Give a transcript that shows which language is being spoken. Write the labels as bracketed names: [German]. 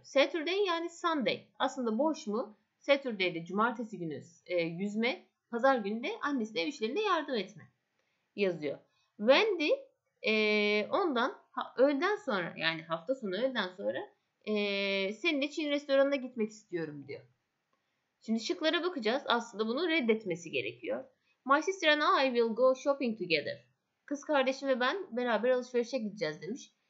[Turkish] Saturday yani Sunday. Aslında boş mu? Saturday'de cumartesi günü yüzme, pazar günü de annesine ev işlerinde yardım etme yazıyor. Wendy ondan öğleden sonra yani hafta sonu öğleden sonra seninle Çin restoranına gitmek istiyorum diyor. Şimdi şıklara bakacağız. Aslında bunu reddetmesi gerekiyor. [English] My sister and I will go shopping together. [Turkish] Kız kardeşim ve ben beraber alışverişe gideceğiz demiş.